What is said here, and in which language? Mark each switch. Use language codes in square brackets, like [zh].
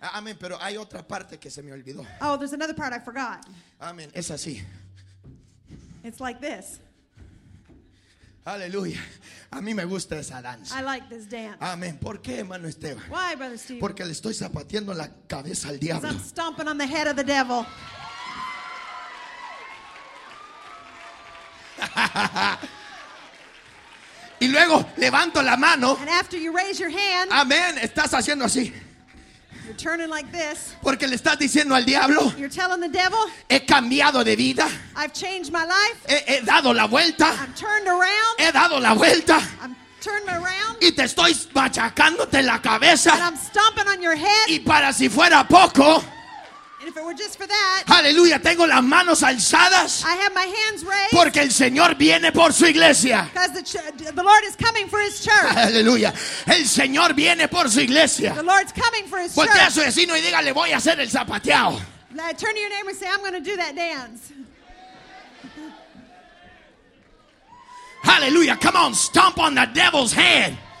[es] Amen, pero hay otra parte que se me olvidó. [en] Oh, there's another part I forgot. [es] Amen, es así. [en] It's like this. [es] Aleluya. A mí me gusta esa danza. [en] I like this dance. [es] Amén. ¿Por qué, hermano Esteban? [en] Why, brother Steve? [es] Porque le estoy zapateando la cabeza al diablo. [en] I'm stomping on the head of the devil. [es] Y luego levanto la mano. [en] And after you raise your hand. [es] Amén. Estás haciendo así. [en] You're turning like this. [es] Porque le estás diciendo al diablo. [en] You're telling the devil. [es] He cambiado de vida. [en] I've changed my life. [es] He dado la vuelta. [en] I've turned around. [es] He dado la vuelta. [en] I've turned around. [es] Y te estoy machacándote la cabeza. [en] And I'm stomping on your head. [es] Y para si fuera poco. [en] And if it were just for that. [es] Aleluya, tengo las manos alzadas. [en] I have my hands raised. [es] Porque el Señor viene por su iglesia. [en] Because the Lord is coming for his church. [es] Aleluya. El Señor viene por su iglesia. [en] The Lord's coming for his [es] voltea A su vecino y dígale, voy a hacer el zapateado. [en] Turn to your neighbor and say, I'm going to do that dance. Aleluya, come on, stomp on the devil's head.